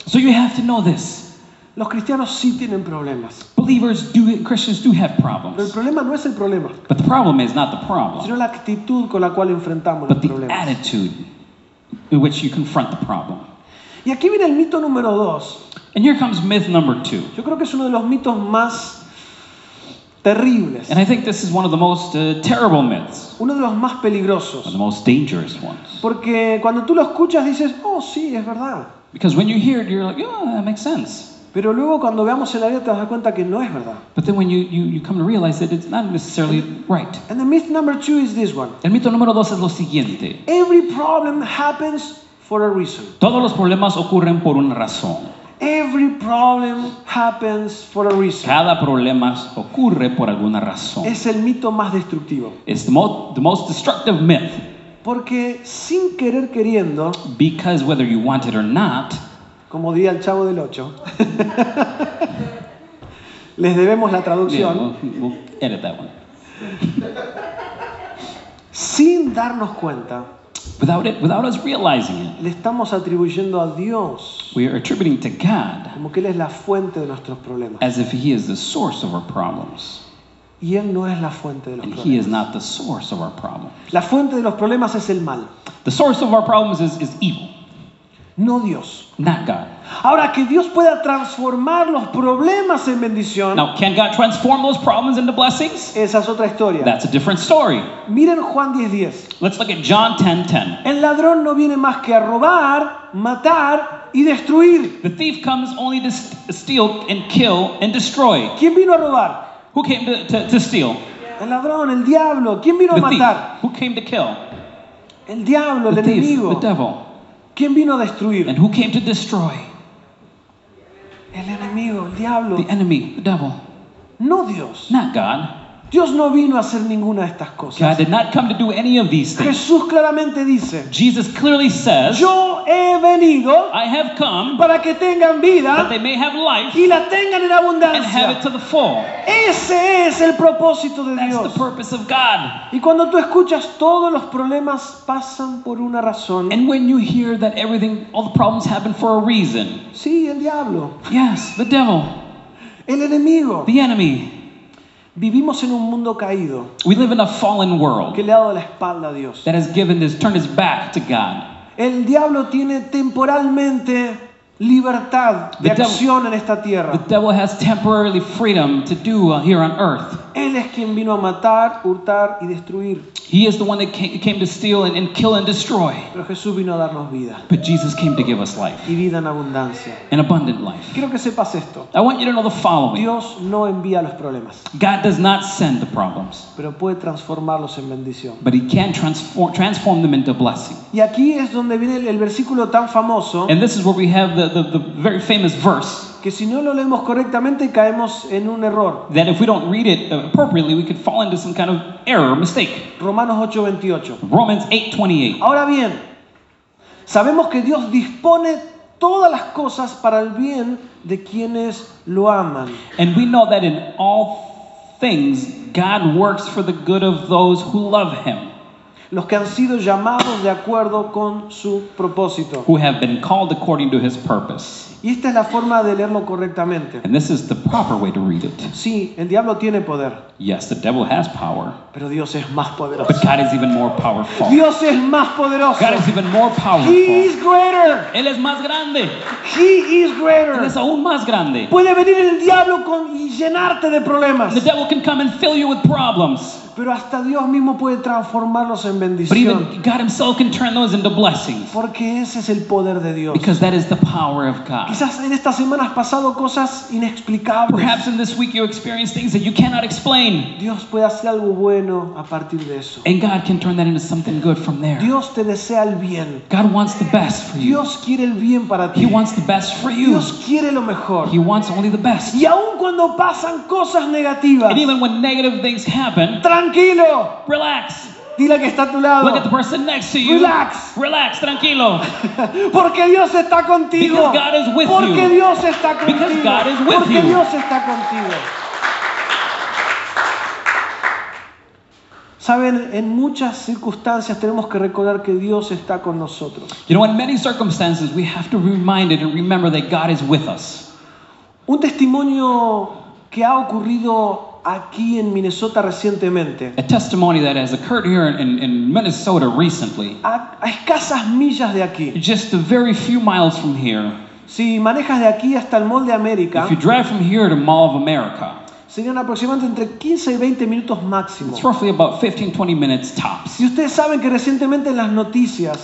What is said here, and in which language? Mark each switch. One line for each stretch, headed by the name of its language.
English: So you have to know this.
Spanish: Los cristianos sí tienen problemas.
English: Believers do, Christians do have problems.
Spanish: Pero el problema no es el problema.
English: But the problem is not the problem.
Spanish: Sino la actitud con la cual enfrentamos
English: But
Spanish: los problemas.
English: But the attitude in which you confront the problem.
Spanish: Y aquí viene el mito número dos.
English: And here comes myth number two.
Spanish: Yo creo que es uno de los mitos más terribles.
English: And I think this is one of the most terrible myths.
Spanish: Uno de los más peligrosos.
English: One of the most dangerous ones.
Spanish: Porque cuando tú lo escuchas dices, oh sí, es verdad.
English: Because when you hear it, you're like, oh, that makes sense.
Spanish: Pero luego cuando veamos en la vida te das cuenta que no es verdad.
English: But then when you come to realize that it's not necessarily right. And the myth number two is this one.
Spanish: El mito número dos es lo siguiente.
English: Every problem happens for a reason.
Spanish: Todos los problemas ocurren por una razón.
English: Every problem happens for a reason.
Spanish: Cada problema ocurre por alguna razón. Es el mito más destructivo.
English: It's the most destructive myth.
Spanish: Porque sin querer queriendo.
English: Because whether you want it or not.
Spanish: Como diría el Chavo del Ocho. Les debemos la traducción.
English: Yeah, we'll edit that one.
Spanish: Sin darnos cuenta.
English: Without us realizing it.
Spanish: Le estamos atribuyendo a Dios.
English: We are attributing to God.
Spanish: Como que Él es la fuente de nuestros problemas.
English: As if He is the source of our problems.
Spanish: Y Él no es la fuente de los
English: And
Spanish: problemas.
English: He is not the source of our problems.
Spanish: La fuente de los problemas es el mal.
English: The source of our problems is evil.
Spanish: No Dios.
English: Not God.
Spanish: Ahora que Dios pueda transformar los problemas en bendición.
English: Now, can God transform those problems into blessings?
Spanish: Esa es otra historia.
English: That's a different story.
Spanish: Miren Juan 10:10.
English: Let's look at John 10:10.
Spanish: El ladrón no viene más que a robar, matar y destruir.
English: The thief comes only to steal and kill and destroy.
Spanish: ¿Quién vino a robar?
English: Who came to steal?
Spanish: El ladrón, el diablo. ¿Quién vino
English: the
Spanish: a matar?
English: Thief. Who came to kill?
Spanish: El diablo,
English: the
Spanish: el
English: thief,
Spanish: enemigo.
English: The devil.
Spanish: ¿Quién vino a destruir?
English: And who came to destroy?
Spanish: El enemigo, el diablo.
English: The enemy, the devil.
Spanish: No Dios.
English: Not God.
Spanish: Dios no vino a hacer ninguna de estas cosas.
English: God did not come to do any of these things.
Spanish: Jesús claramente dice.
English: Jesus clearly says.
Spanish: Yo he venido.
English: I have come.
Spanish: Para que tengan vida.
English: That they may have life.
Spanish: Y la tengan en abundancia.
English: And have it to the full.
Spanish: Ese es el propósito de
English: That's
Spanish: Dios.
English: That's the purpose of God.
Spanish: Y cuando tú escuchas todos los problemas pasan por una razón.
English: And when you hear that everything, all the problems happen for a reason.
Spanish: Sí, el diablo.
English: Yes, the devil.
Spanish: El enemigo.
English: The enemy.
Spanish: Vivimos en un mundo caído.
English: We live in a fallen world.
Spanish: Que le ha dado la espalda a Dios.
English: That has given this, turned his back to God.
Spanish: El diablo tiene temporalmente libertad de acción en esta tierra.
English: The devil has temporarily freedom to do here on earth.
Spanish: Él es quien vino a matar, hurtar y destruir.
English: He is the one that came to steal and kill and destroy.
Spanish: Pero Jesús vino a darnos vida.
English: But Jesus came to give us life.
Spanish: Y vida en abundancia.
English: An abundant life.
Spanish: Quiero que sepas esto.
English: I want you to know the following.
Spanish: Dios no envía los problemas.
English: God does not send the problems.
Spanish: Pero puede transformarlos en bendición.
English: But He can transform them into blessing.
Spanish: Y aquí es donde viene el versículo tan famoso.
English: And this is where we have the very famous verse.
Spanish: Que si no lo leemos correctamente caemos en un error.
English: That if we don't read it appropriately we could fall into some kind of error or mistake.
Spanish: Romanos 8:28.
English: Romans 8:28.
Spanish: Ahora bien, sabemos que Dios dispone todas las cosas para el bien de quienes lo aman.
English: And we know that in all things God works for the good of those who love him.
Spanish: Los que han sido llamados de acuerdo con su propósito.
English: Who have been called according to his purpose.
Spanish: Y esta es la forma de leerlo correctamente.
English: And this is the proper way to read it.
Spanish: Sí, el diablo tiene poder.
English: Yes, the devil has power.
Spanish: Pero Dios es más poderoso.
English: But God is even more powerful.
Spanish: Dios es más poderoso.
English: God is even more powerful. He is greater.
Spanish: Él es más grande.
English: He is greater.
Spanish: Él es aún más grande. Puede venir el diablo con y llenarte de problemas.
English: The devil can come and fill you with problems.
Spanish: Pero hasta Dios mismo puede transformarlos en bendición.
English: But even God himself can turn those into blessings.
Spanish: Porque ese es el poder de Dios.
English: Because that is the power of God.
Spanish: Quizás en esta semana has pasado cosas inexplicables.
English: Perhaps in this week you experienced things that you cannot explain.
Spanish: Dios puede hacer algo bueno a partir de eso.
English: And God can turn that into something good from there.
Spanish: Dios te desea el bien.
English: God wants the best for you.
Spanish: Dios quiere el bien para ti.
English: He wants the best for you.
Spanish: Dios quiere lo mejor.
English: He wants only the best.
Spanish: Y aun cuando pasan cosas negativas.
English: And even when negative things happen.
Spanish: Tranquilo.
English: Relax.
Spanish: Dile que está a tu lado.
English: Look at the person next to you. Relax. Relax, tranquilo.
Spanish: Porque Dios está contigo.
English: Because God is with
Spanish: Porque
English: you.
Spanish: Dios está contigo.
English: Because God is with
Spanish: Porque
English: you.
Spanish: Dios está contigo. Saben, en muchas circunstancias tenemos que recordar que Dios está con nosotros.
English: You know, in many circumstances we have to be reminded and remember that God is with us.
Spanish: Un testimonio que ha ocurrido aquí en Minnesota recientemente.
English: A testimony that has occurred here in Minnesota recently.
Spanish: A escasas millas de aquí.
English: Just a very few miles from here.
Spanish: Si manejas de aquí hasta el Mall de América.
English: If you drive from here to Mall of America.
Spanish: Serían aproximadamente entre 15 y 20 minutos máximo.
English: It's roughly about 15-20 minutes tops.
Spanish: Y ustedes saben que recientemente en las noticias.